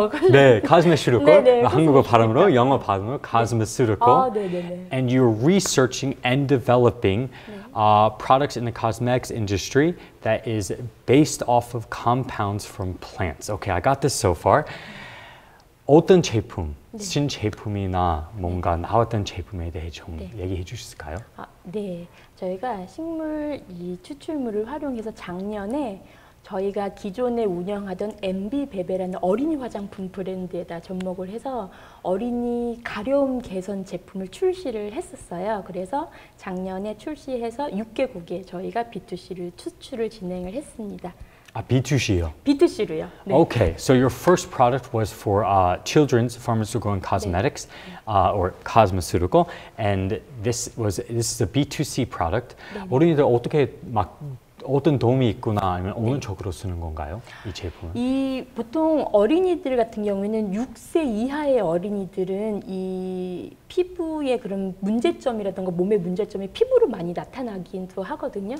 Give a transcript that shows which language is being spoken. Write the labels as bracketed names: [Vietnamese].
[Korean] 네, cosmeceutical. 한국어 발음으로, 영어 발음으로, cosmeceutical. 네. 아, 네네네. [English] And you're researching and developing 네. Products in the cosmetics industry that is based off of compounds from plants. Okay, I got this so far. [Korean] 어떤 제품, [English] 네. [Korean] 신 제품이나 뭔가 나왔던 제품에 대해 좀 네. 얘기해 주실까요? 아, 네, 저희가 식물 이 추출물을 활용해서 작년에 저희가 기존에 운영하던 MB베베라는 어린이 화장품 브랜드에다 접목을 해서 어린이 가려움 개선 제품을 출시를 했었어요. 그래서 작년에 출시해서 6개국에 저희가 B2C를 추출을 진행을 했습니다. 아, B2C요? B2C로요. 네. [English] Okay, so your first product was for children's pharmaceutical and cosmetics, 네. Or cosmeceutical, and this is a B2C product. [Korean] 네. 어린이들 어떻게 막 어떤 도움이 있구나 아니면 어느 네. 쪽으로 쓰는 건가요? 이 제품은? 이 보통 어린이들 같은 경우에는 6세 이하의 어린이들은 이 피부의 그런 문제점이라든가 몸의 문제점이 피부로 많이 나타나기도 하거든요.